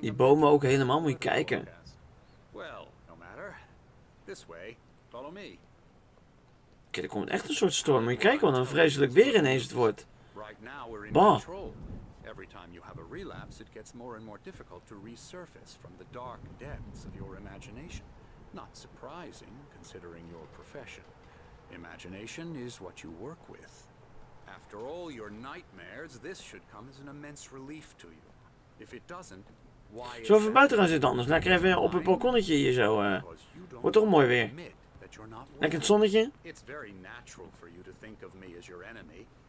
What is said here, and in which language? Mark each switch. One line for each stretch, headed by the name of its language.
Dutch: Die bomen ook helemaal, moet je kijken.
English: Well, no matter. This way, follow me.
Dutch: Oké, er komt echt een soort storm. Moet je kijken wat een vreselijk weer ineens het wordt. Bah.
English: Every time you have a relapse, it gets more and more difficult to resurface from the dark depths of your imagination. Not surprising, considering your profession. Imagination is what you work with. After all your nightmares, this should come as an immense relief to you. If it doesn't, why...
Dutch: Zo even buiten gaan zitten anders. Lekker even op het balkonnetje hier zo. Wordt toch mooi weer. Lekker het zonnetje.
English: It's very natural for you to think of me as your enemy.